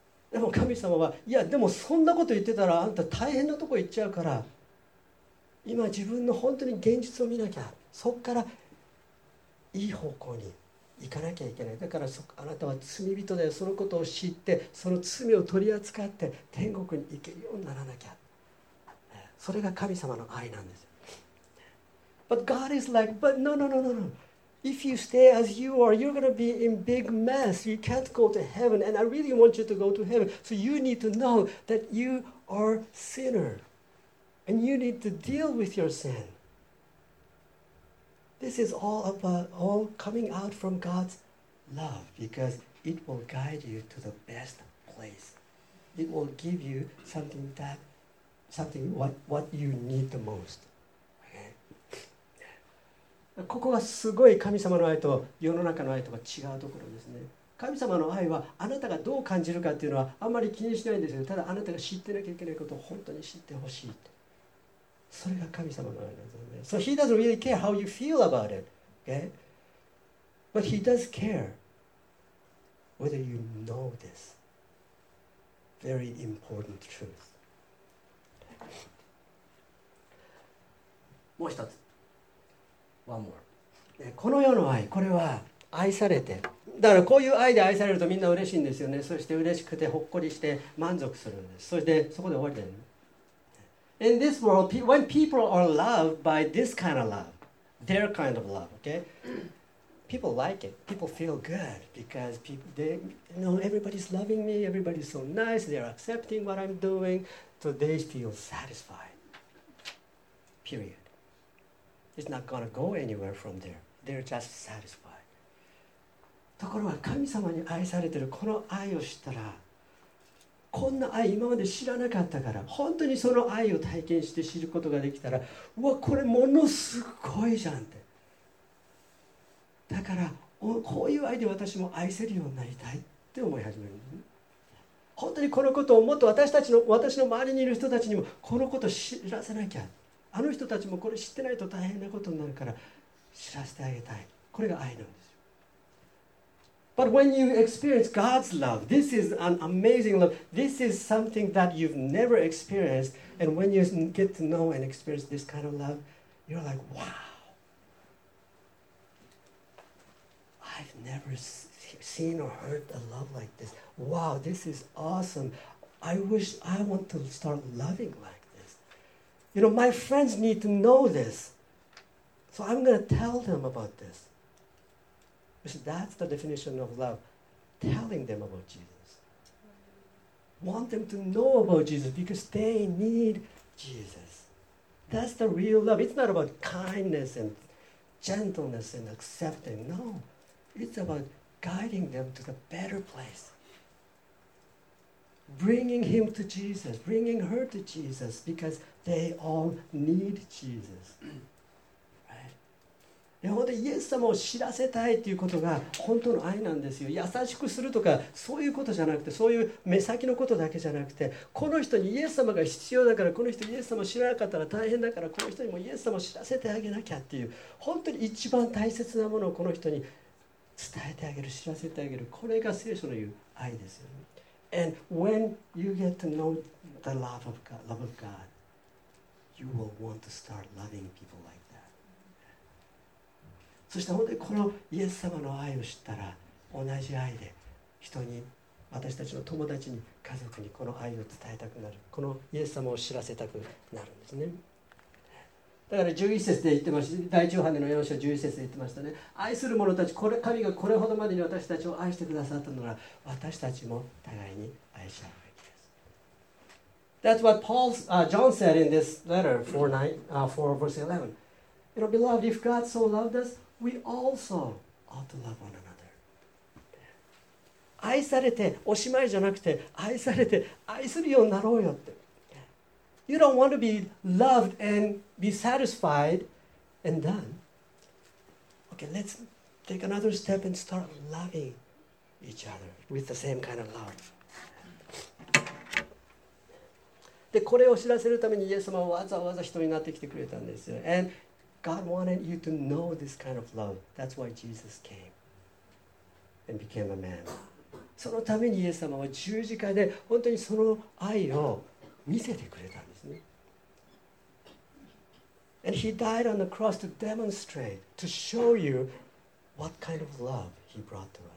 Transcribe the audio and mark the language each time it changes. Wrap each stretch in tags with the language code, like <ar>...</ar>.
<ja>でも神様は、いやでもそんなこと言ってたらあんた大変なとこ行っちゃうから、今自分の本当に現実を見なきゃ、そこからいい方向に行かなきゃいけない。だからあなたは罪人で、そのことを知って、その罪を取り扱って天国に行けるようにならなきゃ。それが神様の愛なんです。</ja> <en>But God is like, but no, no, no, no, no. If you stay as you are, you're going to be in big mess. You can't go to heaven. And I really want you to go to heaven. So you need to know that you are sinner. And you need to deal with your sin. This is all about all coming out from God's love. Because it will guide you to the best place. It will give you something that, something what you need the most.</en> <ja>ここがすごい神様の愛と世の中の愛とは違うところですね。神様の愛はあなたがどう感じるかっていうのはあんまり気にしないんですよ。ただあなたが知ってなきゃいけないことを本当に知ってほしい。それが神様の愛なんですね。</ja> <en>So he doesn't really care how you feel about it, okay? But he does care whether you know this very important truth.</en> <ja>もう一つ。この世の愛、これは愛されて、だからこういう愛で愛されるとみんな嬉しいんですよね。そして嬉しくてほっこりして満足するんです。そしてそこで終わりだよね。</ja> <en>In this world, when people are loved by this kind of love, their kind of love, okay? People like it. People feel good because people, they, you know, everybody's loving me, everybody's so nice, they're accepting what I'm doing, so they feel satisfied. Period. It's not gonna go anywhere from there. They're just satisfied.</en> <ja>ところが神様に愛されているこの愛を知ったら、こんな愛今まで知らなかったから、本当にその愛を体験して知ることができたら、うわこれものすごいじゃんって。だからこういう愛で私も愛せるようになりたいって思い始める。本当にこのことをもっと私の周りにいる人たちにもこのことを知らせなきゃ。あの人たちもこれ知ってないと大変なことになるから知らせてあげたい。これが愛なんですよ。</ja> <en>But when you experience God's love, this is an amazing love. This is something that you've never experienced. And when you get to know and experience this kind of love, you're like, wow. I've never seen or heard a love like this. Wow, this is awesome. I want to start loving like. You know, my friends need to know this. So I'm going to tell them about this. Because that's the definition of love. Telling them about Jesus. Want them to know about Jesus because they need Jesus. That's the real love. It's not about kindness and gentleness and accepting. No. It's about guiding them to the better place. Bringing him to Jesus, bringing her to Jesus, because they all need Jesus. Right?</en> <ja>本当にイエス様を知らせたいということが本当の愛なんですよ。優しくするとかそういうことじゃなくて、そういう目先のことだけじゃなくて、この人にイエス様が必要だから、この人イエス様を知らなかったら大変だから、この人にもイエス様を知らせてあげなきゃっていう、本当に一番大切なものをこの人に伝えてあげる、知らせてあげる、これが聖書の言う愛ですよね。</ja> <en>And when you get to know the love of God, you will want to start loving people like that.</en> <ja>そして本当にこのイエス様の愛を知ったら、同じ愛で人に、私たちの友達に、家族にこの愛を伝えたくなる。このイエス様を知らせたくなるんですね。だから11節で言ってました。第1ヨハネの4章11節で言ってましたね。愛する者たち、これ、神がこれほどまでに私たちを愛してくださったのなら、私たちも互いに愛し合うべきです。</ja> <en>That's what Paul's, John said in this letter, 4 verse 11. You know, beloved, if God so loved us, we also ought to love one another.</en> <ja>愛されておしまいじゃなくて、愛されて愛するようになろうよって。</ja> <en>You don't want to be loved and be satisfied and done. Okay, let's take another step and start loving each other with the same kind of love.</en> <ja>で、これを知らせるためにイエス様はわざわざ人になってきてくれたんですよ。</ja> <en>And God wanted you to know this kind of love. That's why Jesus came and became a man.</en> <ja>そのためにイエス様は十字架で本当にその愛を見せてくれたんですね。</ja> <en>And he died on the cross to demonstrate, to show you what kind of love he brought to us.</en>